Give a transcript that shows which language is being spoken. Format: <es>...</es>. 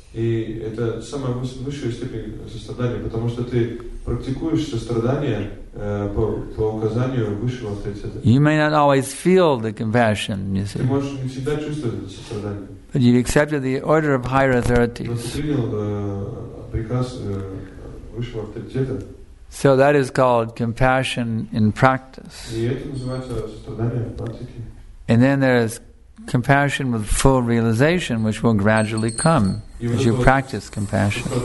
<ru>И это самая высшая степень сострадания, потому что ты практикуешь сострадание по указанию высшего авторитета.</ru> <en>You may not always feel the compassion, you see.</en> <ru>Ты можешь не всегда чувствовать это сострадание.</ru> <en>But you've accepted the order of higher authorities.</en> <ru>Но ты принял приказ высшего авторитета.</ru> <en>So that is called compassion in practice.</en> <ru>И это называется сострадание в практике.</ru> <en>And then there is compassion with full realization, which will gradually come as you practice compassion.</en>